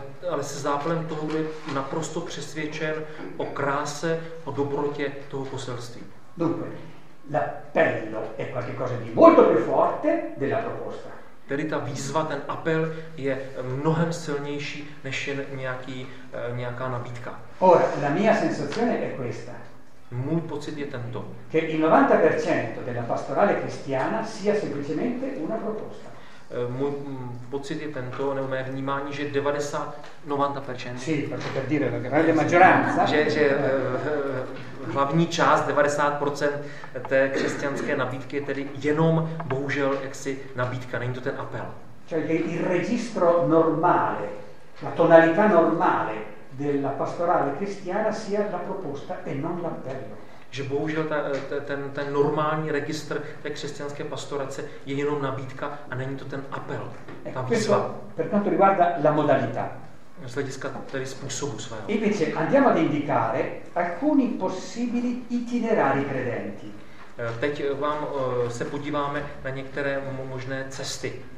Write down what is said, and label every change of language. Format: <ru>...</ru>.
<cs>Ale se zápalem toho je naprosto přesvědčen o kráse, o dobrotě toho poselství.</cs> <it>Dunque, l'appello è qualcosa di molto più forte della proposta.</it> <cs>Tedy ta výzva, ten apel je mnohem silnější než jen nějaká nabídka.</cs> <it>Ora, la mia sensazione è questa.</it> <cs>Můj pocit je tento.</cs> <it>Che il 90% della pastorale cristiana sia semplicemente una proposta.</it> <cs>Můj pocit je tento, nebo mé vnímání, že 90%.</cs> <it>Sì, perché per dire la grande maggioranza.</it> <cs>Že hlavní část 90% té křesťanské nabídky je tedy jenom, bohužel, jaksi nabídka, není to ten apel.</cs> <it>Cioè il registro normale, la tonalità normale della pastorale cristiana sia la proposta e non l'appello.</it> <cs>Že bohužel ten normální registr té křesťanské pastorace je jenom nabídka a není to ten apel, ta výzva.</cs> <it>Per quanto riguarda la modalità.</it> <cs>Z hlediska tedy způsobu svého.</cs> <it>Invece andiamo ad indicare alcuni possibili itinerari credenti.</it> <cs>Teď vám se podíváme na některé možné cesty.</cs>